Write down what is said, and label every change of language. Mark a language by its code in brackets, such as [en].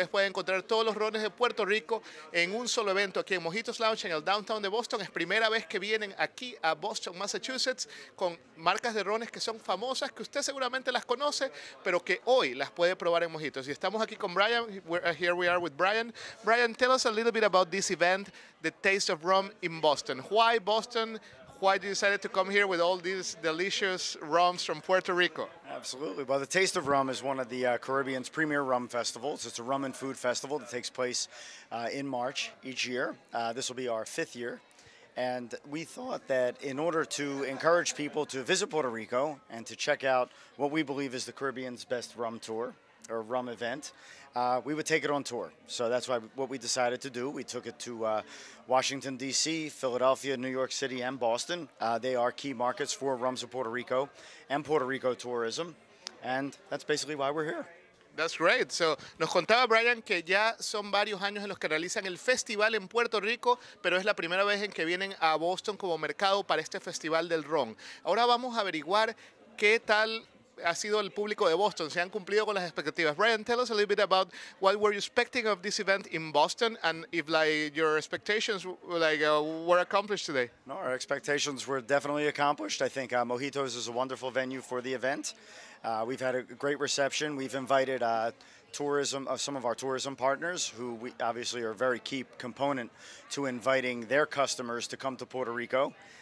[es] de Puerto Rico en un solo evento aquí en Mojitos Lounge en el downtown de Boston. Es primera vez que vienen aquí a Boston, Massachusetts, con marcas de rones que son famosas, que usted seguramente las conoce, pero que hoy las puede probar en Mojitos. Y estamos aquí con Brian. [en] Here we are with Brian. Brian, tell us a little bit about this event, The Taste of Rum in Boston. Why Boston? Why did you decide to come here with all these delicious rums from Puerto Rico? Absolutely. Well, the Taste of Rum is one of the Caribbean's premier rum festivals. It's a rum and food festival that takes place in March each year. This will be our fifth year. And we thought that in order to encourage people to visit Puerto Rico and to check out what we believe is the Caribbean's best rum tour or rum event, we would take it on tour. So that's why what we decided to do. We took it to Washington, D.C., Philadelphia, New York City, and Boston. They are key markets for Rums of Puerto Rico and Puerto Rico tourism. And that's basically why we're here. That's great. [es] So, nos contaba Brian que ya son varios años en los que realizan el festival en Puerto Rico, pero es la primera vez en que vienen a Boston como mercado para este festival del ron. Ahora vamos a averiguar qué tal ha sido el público de Boston. Se han cumplido con las expectativas. [en] Brian, tell us a little bit about what were you expecting of this event in Boston, and if like your expectations like were accomplished today. No, our expectations were definitely accomplished. I think Mojitos is a wonderful venue for the event. We've had a great reception. We've invited tourism of some of our tourism partners, who we obviously are a very key component to inviting their customers to come to Puerto Rico.